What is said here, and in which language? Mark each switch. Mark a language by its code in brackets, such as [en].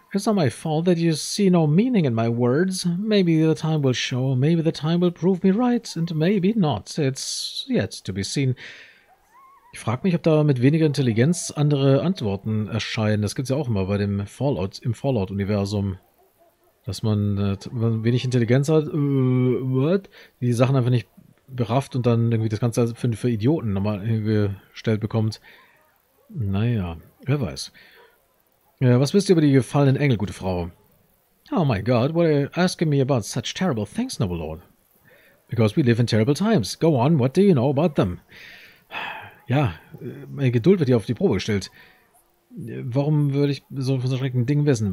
[en] It's not my fault that you see no meaning in my words. Maybe the time will show, maybe the time will prove me right, and maybe not. It's yet to be seen. [de] Ich frag mich, ob da mit weniger Intelligenz andere Antworten erscheinen. Das gibt's ja auch immer bei dem Fallout, im Fallout-Universum. Dass man wenig Intelligenz hat, die Sachen einfach nicht berafft und dann irgendwie das Ganze für Idioten nochmal gestellt bekommt. Naja, wer weiß. Was wisst ihr über die gefallenen Engel, gute Frau? [en] Oh my God, what are you asking me about such terrible things, noble lord? Because we live in terrible times. Go on, what do you know about them? [de] Ja, meine Geduld wird hier auf die Probe gestellt. Warum würde ich so von so schrecklichen Dingen wissen?